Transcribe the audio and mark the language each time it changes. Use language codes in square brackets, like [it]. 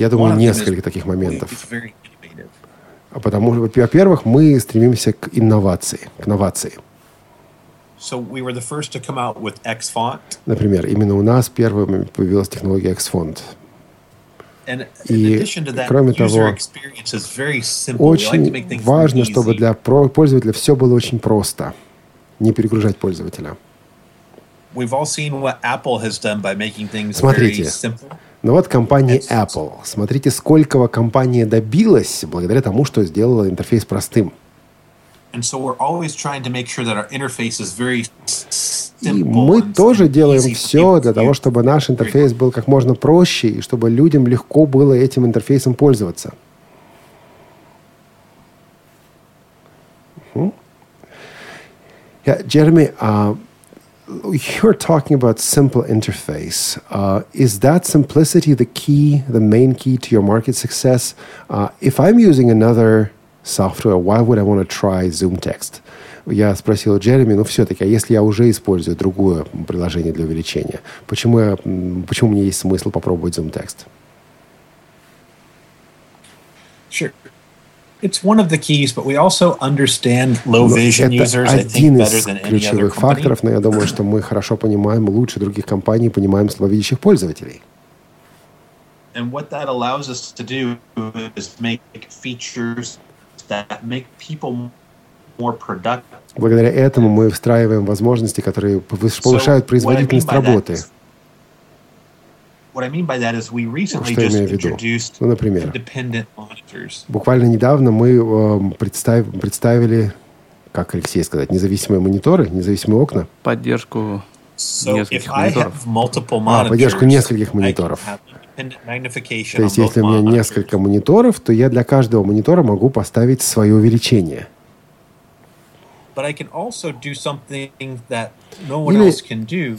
[ru] Я думаю, несколько таких моментов. Потому что, во-первых, мы стремимся к инновации, к новации. [en] So we were the first to come out with XFont. [ru] Например, именно у нас первыми появилась технология XFont. [en] And in addition to that, [ru] кроме того, [en] user experience is very simple. [ru] Очень [en] like [ru] важно, чтобы для пользователя все было очень просто, не перегружать пользователя. [en] We've all seen what Apple has done by making things [ru] Смотрите. [en] Very simple. [ru] Ну вот компания Apple. Смотрите, сколько компания добилась благодаря тому, что сделала интерфейс простым. [en] And so we're always trying to make sure that our interface is very simple. [ru] И мы тоже делаем все для того, чтобы наш интерфейс был как можно проще и чтобы людям легко было этим интерфейсом пользоваться. [en] Джереми, you're talking about simple interface. Is that simplicity the key, the main key to your market success? If I'm using another software, why would I want to try Zoom Text? [ru] Я спросил Джереми, ну все-таки, а если я уже использую другое приложение для увеличения, почему мне есть смысл попробовать Zoom Text? [en] Sure. It's one of the keys, but we also understand low vision users, I think, better than any other company. [ru] Это один из ключевых факторов, но я думаю, что мы хорошо понимаем, лучше других компаний понимаем слабовидящих пользователей. [en] And what that allows us to do is make features that make people more productive. [ru] Благодаря этому мы встраиваем возможности, которые повышают производительность работы. [en] What I mean by that is we recently just introduced independent monitors. [ru] Буквально недавно мы представили, как Алексей сказать, независимые мониторы, независимые окна. Поддержку нескольких мониторов. Поддержку нескольких мониторов. То есть, если у меня несколько мониторов, то я для каждого монитора могу поставить свое увеличение. [en] But I can also do something that no one else can do.